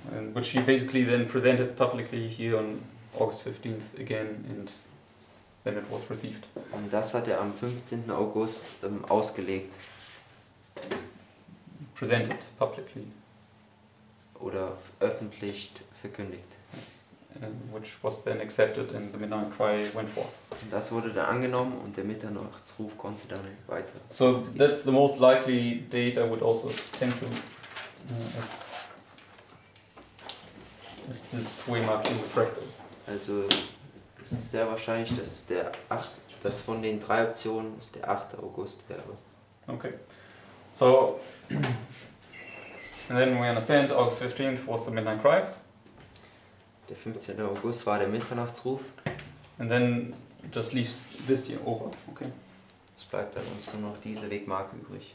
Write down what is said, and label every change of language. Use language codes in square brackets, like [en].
[en] And which he basically then presented publicly here on August 15th again and then it was received. [de] Und das hat am 15. August ausgelegt. [en] Presented publicly. [de] Oder öffentlich verkündigt. [en] Yes. Which was then accepted and the Midnight Cry went forth. [de] Und das wurde dann angenommen und der Mitternachtsruf konnte dann weiter. [en] So that's the most likely date I would also tend to as this Waymark in the fractal. [de] Also es ist sehr wahrscheinlich, dass es dass von den drei Optionen es der 8. August wäre. [en] Okay. So, and then we understand August 15th was the Midnight Cry. [de] Der 15. August war der Mitternachtsruf. [en] And then just leaves this here over, okay. [de] Es bleibt dann uns nur noch diese Wegmarke übrig.